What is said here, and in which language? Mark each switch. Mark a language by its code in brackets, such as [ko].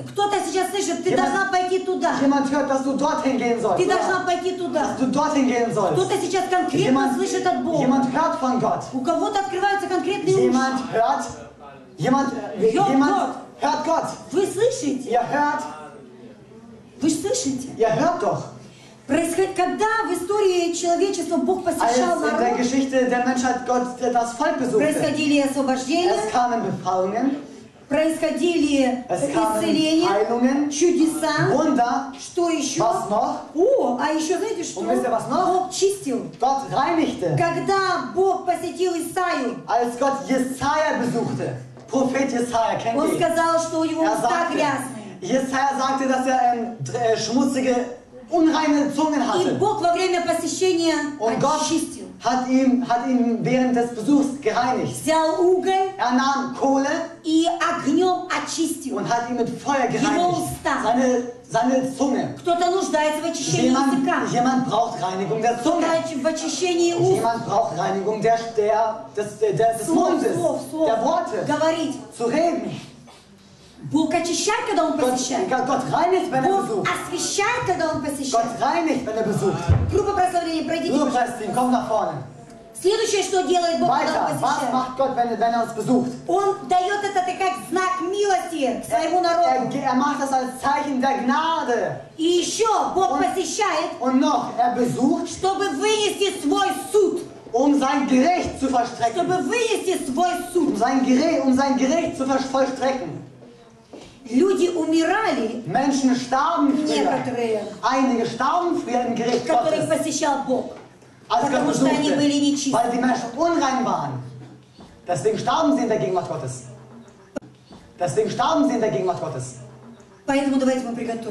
[ru] Кто-то сейчас слышит, ты должна пойти туда. [de] Jemand hört, dass du dorthin gehen sollst. [ru] Ты должна пойти туда. [de] Dass du dorthin gehen sollst. [ru] Кто-то сейчас конкретно слышит от Бога. [de] Jemand hört von Gott. [ru] У кого-то открываются конкретные уши. [de] Jemand hört Gott. [ru] Вы слышите? [de] Ihr hört doch. [ru] Когда в истории человечества Бог посещал народ, [de] in der Geschichte der Menschheit Gott das Volk besuchte, [ru] происходили освобождения, [de] es kamen Befreiungen, [ru] происходили исцеления, [de] Heilungen, [ru] чудеса, [de] Wunder, [ru] что еще? [de] Was noch? [ru] А еще знаете что? [de] Und wisst ihr, was noch? [ru] Бог чистил. [de] Gott reinigte. [ru] Когда Бог посетил Исаию, [de] als Gott Jesaja besuchte, Prophet Jesaja, kennt [ru] он сказал, что у него уста грязные. [de] Jesaja sagte, dass eine schmutzige unreine Zungen hatte. [ru] И Бог во время посещения [de] und [ru] очистил. [de] Gott hat ihn während des Besuchs gereinigt. [ru] Взял уголь. [de] Er nahm Kohle. [ru] И огнем очистил. [de] Und hat ihn mit Feuer gereinigt. Seine Zunge. [ru] Кто-то нуждается в очищении языка. [de] Jemand braucht Reinigung der Zunge. [ru] В очищении уст. [de] Jemand braucht Reinigung des Mundes. Der Worte. [ru] Говорить. [de] Zu reden. [ru] Бог очищает, когда Он посещает. [de] Gott reinigt, wenn [ru] Бог освещает, когда Он посещает. [de] Gott reinigt, wenn besucht. [ru] Группа прославления, пройдите. [de] Lukasin, komm nach vorne. [ru] Следующее, что делает Бог, когда Он посещает. [de] Was macht Gott, wenn er uns besucht? [ru] Он дает это как знак милости своему народу. [de] Er macht das als Zeichen der Gnade. [ru] И еще Бог посещает. [de] Und noch, besucht. [ru] Чтобы вынести свой суд. [de] Sein Gericht zu vollstrecken. [ru] Чтобы вынести свой суд. [de] Sein Gericht zu vollstrecken. [ru] Люди умирали. [de] Menschen starben früher. Einige starben früher im Gericht Gottes. [ru] Которых посещал Бог. Потому что они были нечисты. [de] Weil die Menschen unrein waren. Deswegen starben sie in der Gegenwart Gottes. [ru] Поэтому давайте мы приготовимся.